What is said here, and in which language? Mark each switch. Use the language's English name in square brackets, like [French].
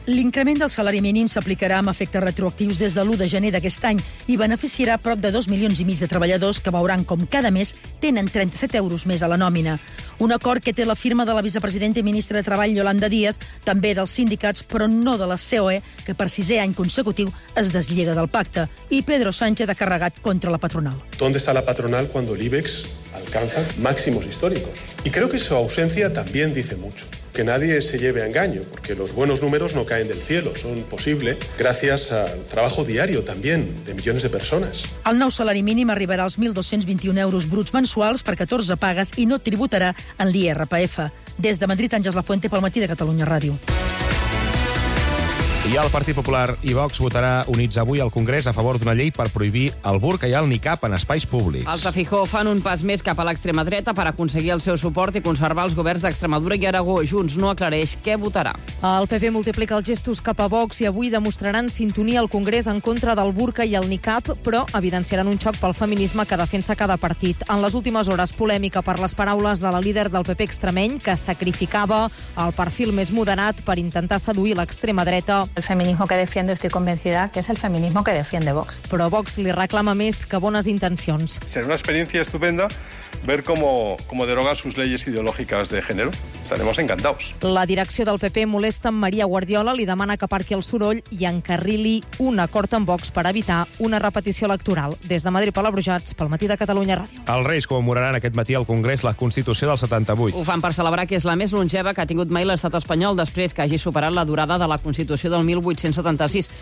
[Catalan] L'increment del salari mínim s'aplicarà amb efectes retroactius des de l'1 de gener d'aquest any i beneficiarà prop de 2 milions i mig de treballadors que veuran com cada mes tenen 37 euros més a la nòmina. Un acord que té la firma de la vicepresidenta i ministra de Treball, Yolanda Díaz, també dels sindicats, però no de la COE, que per sisè any consecutiu es deslliga del pacte. I Pedro Sánchez ha carregat contra la patronal. [Spanish] ¿Dónde está la patronal cuando el IBEX alcanza máximos históricos? Y creo que su ausencia también dice mucho. Que nadie se lleve a engaño, porque los buenos números no caen del cielo, son posible gracias al trabajo diario también de millones de personas. [Catalan] El nou salari mínim arribarà als 1.221 euros bruts mensuals per 14 pagues i no tributarà en l'IRPF. Des de Madrid, Àngels Lafuente, pel Matí de Catalunya Ràdio. I el Partit Popular i Vox votarà units avui al Congrés a favor d'una llei per prohibir el burca i el niqab en espais públics. Els de Feijóo fan un pas més cap a l'extrema dreta per aconseguir el seu suport i conservar els governs d'Extremadura i Aragó. Junts no aclareix què votarà. El PP multiplica els gestos cap a Vox i avui demostraran sintonia al Congrés en contra del burca i el niqab, però evidenciaran un xoc pel feminisme que defensa cada partit. En les últimes hores, polèmica per les paraules de la líder del PP extremeny, que sacrificava el perfil més moderat per intentar seduir l'extrema dreta. [Spanish] El feminismo que defiendo, estoy convencida que es el feminismo que defiende Vox. [Catalan] Però Vox li reclama més que bones intencions. [Spanish] Será una experiencia estupenda ver cómo derogan sus leyes ideológicas de género. Estaremos encantados. [Catalan] La direcció del PP molesta en Maria Guardiola, li demana que aparqui el soroll i encarrili un acord amb Vox per evitar una repetició electoral. Des de Madrid, Palabrujats, pel Matí de Catalunya Ràdio. Els Reis commemoraran aquest matí al Congrés la Constitució del 78. Ho fan per celebrar que és la més longeva que ha tingut mai l'estat espanyol després que hagi superat la durada de la Constitució del 1876.